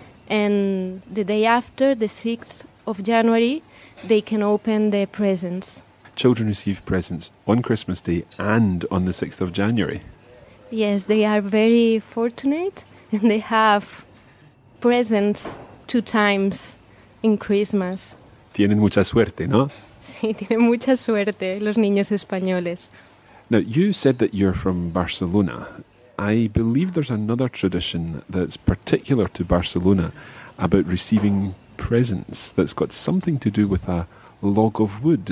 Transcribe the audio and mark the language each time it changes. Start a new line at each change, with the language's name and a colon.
English: And the day after, the 6th of January, they can open their presents. Children receive presents on Christmas Day and on the 6th of January. Yes, they are very fortunate, and they have presents two times in Christmas.
Spanish: Tienen mucha suerte, ¿no? Sí, tienen mucha suerte los niños españoles.
English: Now, you said that you're from Barcelona. I believe there's another tradition that's particular to Barcelona about receiving presents that's got something to do with a log of wood.